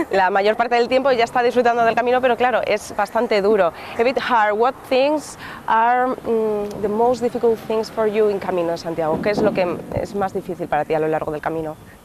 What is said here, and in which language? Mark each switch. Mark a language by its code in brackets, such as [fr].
[es] La mayor parte del tiempo ya está disfrutando del camino, pero claro, es bastante duro. [en] A bit hard. What things are the most difficult things for you in Camino Santiago? [es] ¿Qué es lo que es más difícil para ti a lo largo del camino?